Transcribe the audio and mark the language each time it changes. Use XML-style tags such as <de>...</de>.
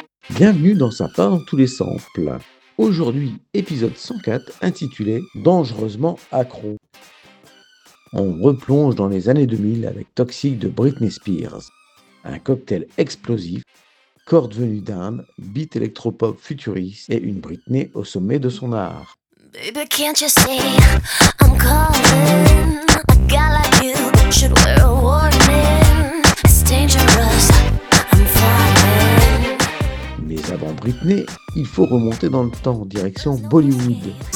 <fr>Bienvenue dans Ça part dans tous les samples. Aujourd'hui, épisode 104, intitulé « Dangereusement accro ». On replonge dans les années 2000 avec « Toxic » de Britney Spears. Un cocktail explosif, corde venue d'Inde, beat électropop futuriste et une Britney au sommet de son art.</fr> <en>Baby, can't you see I'm calling? A guy like you should wear a warning. It's dangerous, I'm falling.</en> <fr>Mais avant Britney, il faut remonter dans le temps, direction Bollywood.</fr>